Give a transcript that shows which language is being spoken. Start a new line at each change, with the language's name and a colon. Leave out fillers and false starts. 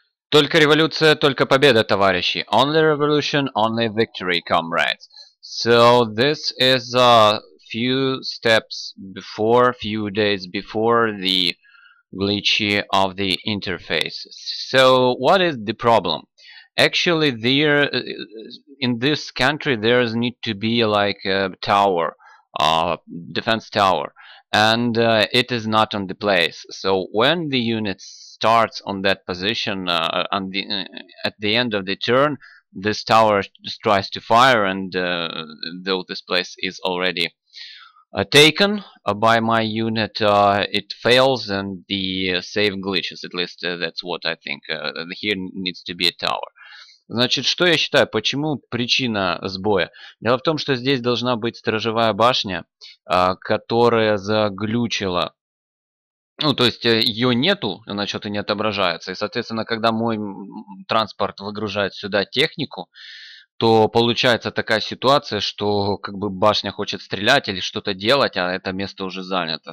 Russian: Только революция, только победа, товарищи.
English: Only revolution, only victory, comrades. So this is a few steps before, few days before the glitchy of the interface. So what is the problem? Actually, there in this country there is need to be like a tower, a defense tower. And it is not on the place. So when the unit starts on that position on the at the end of the turn, this tower tries to fire, and though this place is already taken by my unit, it fails and the save glitches. At least that's what I think. Here needs to be a tower.
Russian: Значит, что я считаю, почему причина сбоя? Дело в том, что здесь должна быть сторожевая башня, которая заглючила. Ну, то есть, ее нету, значит, и не отображается. И, соответственно, когда мой транспорт выгружает сюда технику, то получается такая ситуация, что как бы башня хочет стрелять или что-то делать, а это место уже занято.